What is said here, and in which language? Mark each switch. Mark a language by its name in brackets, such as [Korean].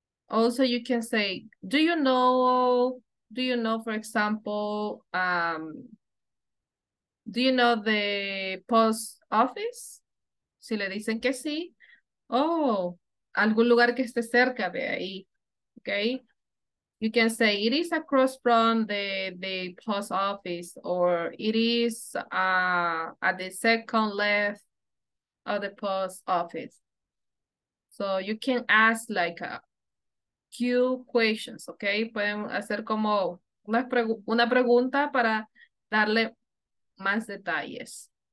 [English] Also, you can say, do you know, for example, do you know the post office? [Spanish] Si le dicen que sí, algún lugar que esté cerca de ahí, okay? [English] You can say, it is across from the post office, or it is at the second left of the post office. So you can ask like a Q questions, okay? [Spanish] Pueden hacer como una pregunta para darle más detalles.